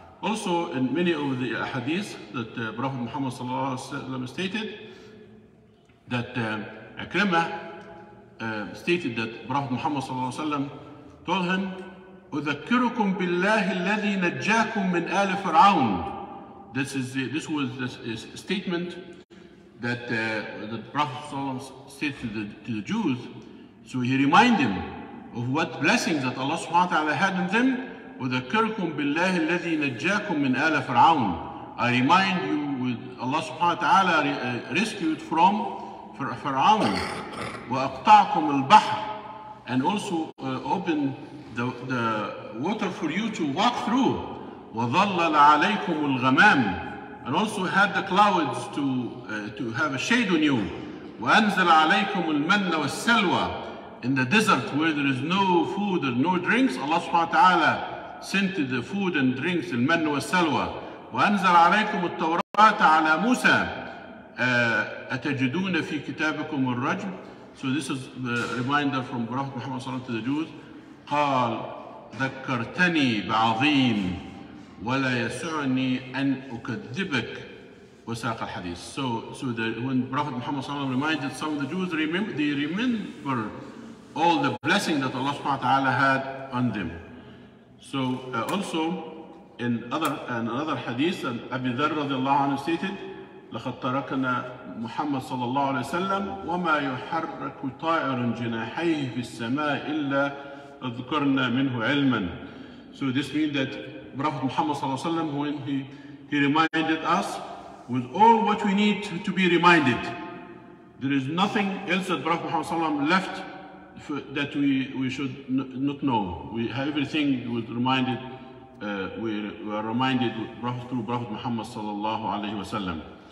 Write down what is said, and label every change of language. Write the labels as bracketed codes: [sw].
[en] Also in many of the hadith that Prophet Muhammad sallallahu alayhi wa sallam stated, that Ikrimah stated that Prophet Muhammad sallallahu alayhi wa sallam told him, [ar] أذكركم بالله الذي نجاكم من آل فرعون. [en] This was a statement that the Prophet said to the Jews. So he reminded them of what blessings that Allah subhanahu wa ta'ala had in them. [ar] أذكركم بالله الذي نجاكم من آل فرعون. [en] I remind you with Allah subhanahu wa ta'ala rescued from فرعون. [ar] وأقطعكم البحر. [en] And also opened the water for you to walk through. [ar] وَظَلَّلَ عَلَيْكُمُ الْغَمَامِ. [en] And also had the clouds to have a shade on you. [ar] وَأَنْزَلَ عَلَيْكُمُ الْمَنَّ وَالسَّلْوَى. [en] In the desert where there is no food or no drinks, Allah subhanahu wa ta'ala sent the food and drinks, [ar] الْمَنَّ وَالسَّلْوَى. وَأَنْزَلَ عَلَيْكُمُ التَّوْرَاةَ عَلَى مُوسَى. أَتَجِدُونَ فِي كِتَابِكُمُ الرَّجْمِ. [en] So this is the reminder from Prophet Muhammad sallallahu alayhi wa sallam to the Jews. [ar] قال ذكرتني بعظيم ولا يسعني أن أكذبك وساق الحديث. [en] So when Prophet Muhammad صلى الله عليه وسلم reminded some of the Jews, they remember all the blessing that Allah subhanahu wa ta'ala had on them. So also in another hadith, [ar] Abu Dharr رضي الله عنه stated, لقد تركنا محمد صلى الله عليه وسلم وما يحرك طائر جناحيه في السماء إلا أذكرنا منه علما. [en] So this means that Prophet Muhammad sallallahu alaihi wasallam, when he reminded us with all what we need to be reminded, there is nothing else that Prophet Muhammad sallallahu alaihi wasallam left that we should not know. We have everything was reminded. We are reminded through Prophet Muhammad sallallahu alaihi wasallam.